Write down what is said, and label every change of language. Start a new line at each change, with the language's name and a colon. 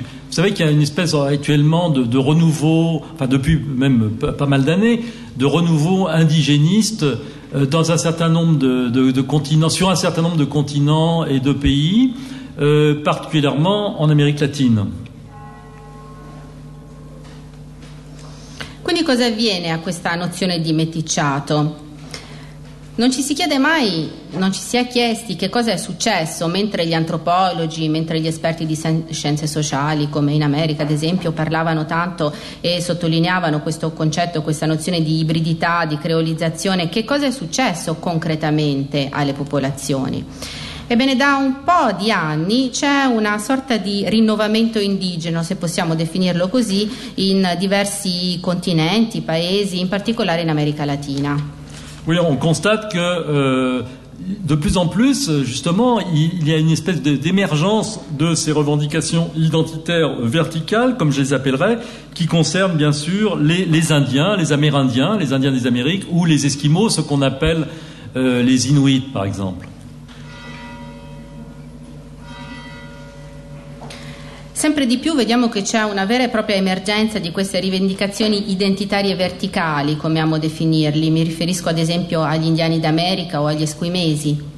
French: Vous savez qu'il y a une espèce actuellement de renouveau, enfin depuis même pas mal d'années, de renouveau indigéniste dans un certain nombre de continents, sur un certain nombre de continents et de pays, particulièrement en Amérique latine.
Italian: Quindi cosa avviene a questa nozione di meticciato? Non ci si chiede mai, non ci si è chiesti che cosa è successo mentre gli antropologi, mentre gli esperti di scienze sociali, come in America ad esempio, parlavano tanto e sottolineavano questo concetto, questa nozione di ibridità, di creolizzazione, che cosa è successo concretamente alle popolazioni? Ebbene, da un po' di anni c'è una sorta di rinnovamento indigeno, se possiamo definirlo così, in diversi continenti, paesi, in particolare in America Latina.
French: Oui, on constate que de plus en plus, justement, il y a une espèce d'émergence de ces revendications identitaires verticales, comme je les appellerais, qui concernent bien sûr les Indiens, les Amérindiens, les Indiens des Amériques, ou les Esquimaux, ce qu'on appelle les Inuits, par exemple.
Italian: Sempre di più vediamo che c'è una vera e propria emergenza di queste rivendicazioni identitarie verticali, come amo definirli. Mi riferisco ad esempio agli indiani d'America o agli esquimesi.